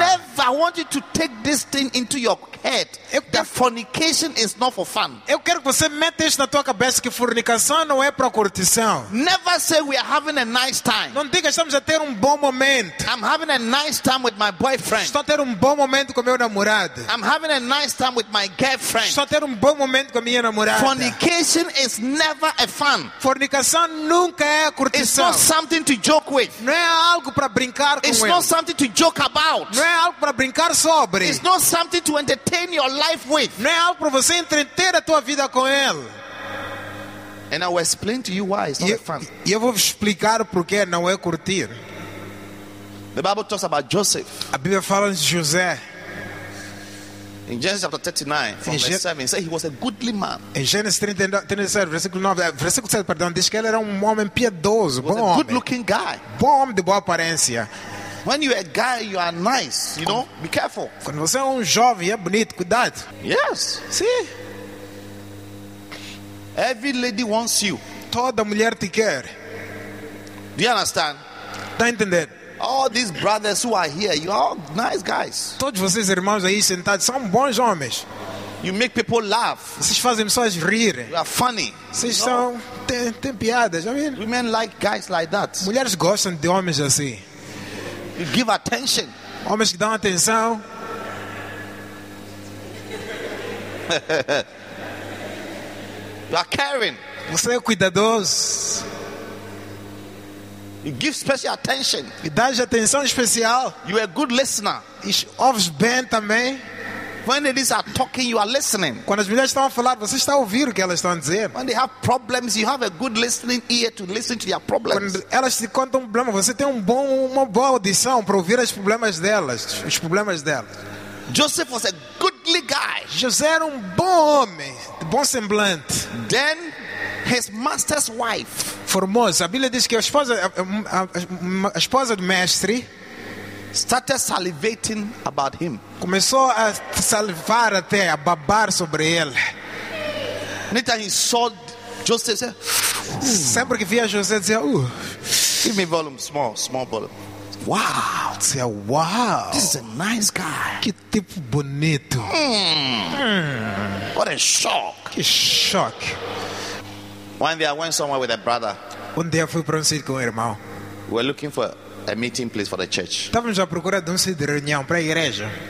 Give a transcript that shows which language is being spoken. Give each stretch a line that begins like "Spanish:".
English: Never. I want you to take this thing into your head. That fornication is not for fun.
Portuguese: Eu quero que você meta isso na tua cabeça, que fornicação não é para curtição.
English: Never say we are having a nice time.
Portuguese: Não diga estamos a ter um bom momento.
English: I'm having a nice time with my boyfriend.
Portuguese: Estou a ter um bom momento com meu namorado.
English: I'm having a nice time with my girlfriend.
Portuguese: Estou a ter um bom momento com minha namorada.
English: Fornication is never a fun.
Portuguese: Fornicação nunca é curtição.
English: It's not something to joke with.
Portuguese: Não é algo para brincar com
English: ele. It's not something to joke about.
Portuguese: Não é algo para brincar sobre.
English: It's not something to entertain your life with.
Portuguese: Não é algo para você entreter a tua vida com ele.
English: And I will explain to you why it's not a fun.
Portuguese: E eu vou explicar porque não é curtir.
English: The Bible talks about Joseph.
Portuguese: A Bíblia fala de José.
English: In Genesis chapter 39, from verse 7, it says he was a goodly man.
Portuguese: Em Gênesis 37, versículo 9, versículo 7, perdão, diz que ele era um homem piedoso, bom homem.
English: A good looking guy.
Portuguese: Bom homem de boa aparência.
English: When you are a guy, you are nice, you know? Be careful.
Portuguese: Quando você é um jovem, é bonito, cuidado.
English: Yes.
Portuguese: Sim.
English: Every lady wants you.
Portuguese: Toda mulher te quer.
English: Do you understand?
Portuguese: Tá entendendo?
English: All these brothers who are here, you are all nice guys.
Portuguese: Todos vocês irmãos aí sentados são bons homens.
English: You make people laugh.
Portuguese: Vocês fazem pessoas rir.
English: You are funny.
Portuguese: Vocês são tem piadas,
English: I mean. Women like guys like that.
Portuguese: Mulheres gostam de homens assim.
English: You give attention.
Portuguese: Homens que dão atenção.
English: You are caring.
Portuguese: Você é cuidadoso.
English: You give special attention.
Portuguese: E dá atenção especial.
English: You are a good listener.
Portuguese: Ouves bem também.
English: When ladies are talking, you are listening.
Portuguese: Quando as mulheres estão a falar, você está a ouvir o que elas estão a dizer.
English: When they have problems, you have a good listening ear to listen to their problems.
Portuguese: Quando elas te contam um problema, você tem uma boa audição para ouvir os problemas delas.
English: Joseph was a goodly guy.
Portuguese: José era um bom homem, de bom semblante.
English: Then his master's wife.
Portuguese: Formosa. A Bíblia diz que a esposa do mestre
English: started salivating about him.
Portuguese: Começou a salivar até a babar sobre ele.
English: Nita, he saw Joseph.
Portuguese: Sempre que via José dizia,
English: give me volume, small volume. Wow,
Portuguese: dizia, wow.
English: This is a nice guy.
Portuguese: Que tipo bonito.
English: What a shock.
Portuguese: Que shock.
English: One day I went somewhere with a brother.
Portuguese: Um dia fui para um sítio com um irmão.
English: We were looking for a meeting place for the church.
Portuguese: Estávamos à procura de um sítio de reunião para a igreja.